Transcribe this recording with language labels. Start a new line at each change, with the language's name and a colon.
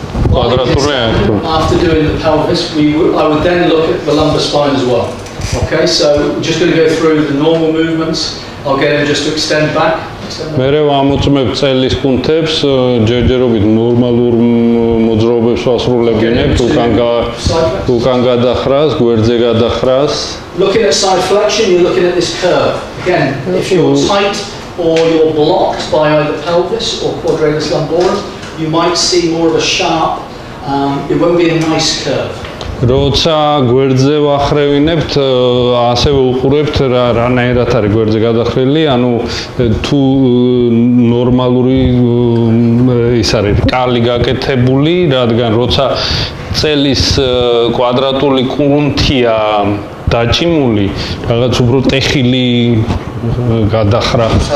English: After doing the pelvis, I would then look at the lumbar spine as well. Okay, so just going to go through the normal movements. I'll get him just to extend back.
Georgian: მერე ვამოწმებ წელის კუნთებს, ჯერჯერობით ნორმალურ მოძრაობებს ვასრულებენ, უკან გადახრას, გვერდზე გადახრას.
English: Looking at side flexion, you're looking at this curve. Again, if you're tight or you're blocked by either pelvis or quadratus lumborum, you might see more of a sharp it won't be a nice curve.
Georgian: როცა გვერდზე ვახრევინებთ, ასევე უყურებთ რანაირად არის გვერდზე გადახრილი, ანუ თუ ნორმალური ის არის კალი გაკეთებული, რადგან როცა წელის კვადრატული კუნთია დაჭიმული, რაღაც უფრო ტეხილი გადახრა.